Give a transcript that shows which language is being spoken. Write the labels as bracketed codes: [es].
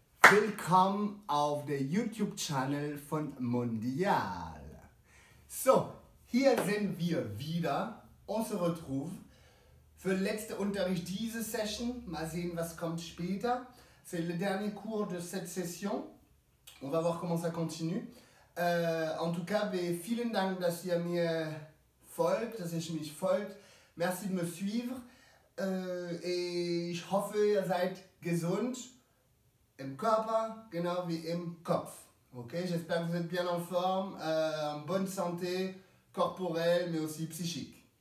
[de] Willkommen auf der YouTube-Channel von Mondial. So, hier sind wir wieder. [fr] On se retrouve. [de] Für den letzten Unterricht diese Session. Mal sehen, was kommt später. [fr] C'est le dernier cours de cette session. On va voir comment ça continue. En tout cas, [de] vielen Dank, dass ihr mir folgt, dass ihr mich folgt. [fr] Merci de me suivre. [de] Ich hoffe, ihr seid gesund. Im Körper, genau wie im Kopf. [fr] Okay, j'espère que vous êtes bien en forme, en bonne santé, corporelle, mais aussi psychique.